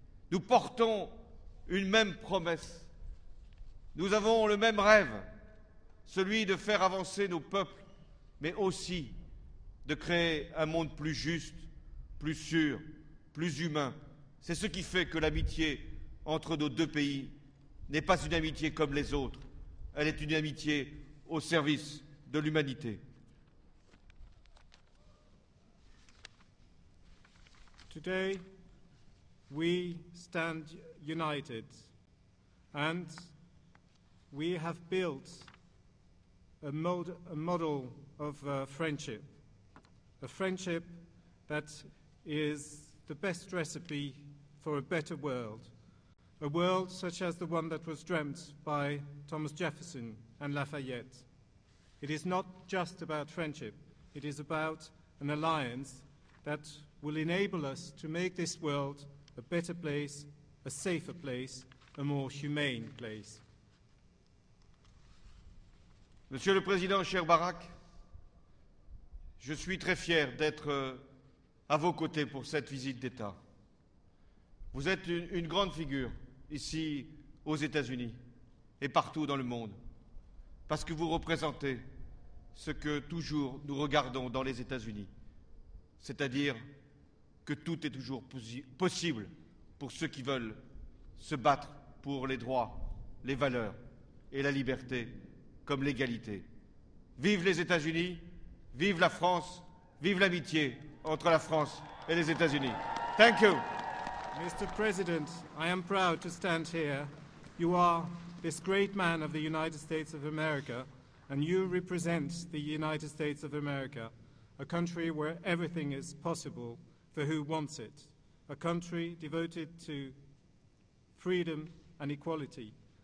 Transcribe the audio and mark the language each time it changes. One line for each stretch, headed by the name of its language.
French: Nous portons une même promesse. Nous avons le même rêve, celui de faire avancer nos peuples, mais aussi de créer un monde plus juste, plus sûr, plus humain. C'est ce qui fait que l'amitié entre nos deux pays n'est pas une amitié comme les autres. Elle est une amitié au service de l'humanité.
English: Today, we stand united, and we have built a model of friendship, a friendship that is the best recipe for a better world, a world such as the one that was dreamt by Thomas Jefferson and Lafayette. It is not just about friendship, it is about an alliance that will enable us to make this world a better place, a safer place, a more humane place.
French: Monsieur le Président, cher Barack, je suis très fier d'être à vos côtés pour cette visite d'État. Vous êtes une grande figure ici aux États-Unis. et partout dans le monde, parce que vous représentez ce que toujours nous regardons dans les États-Unis, c'est-à-dire que tout est toujours possible pour ceux qui veulent se battre pour les droits, les valeurs et la liberté comme l'égalité. Vive les États-Unis, vive la France, vive l'amitié entre la France et les États-Unis.
English: Thank you. Mr. President, I am proud to stand here. You are this great man of the United States of America, and you represent the United States of America, a country where everything is possible for who wants it, a country devoted to freedom and equality.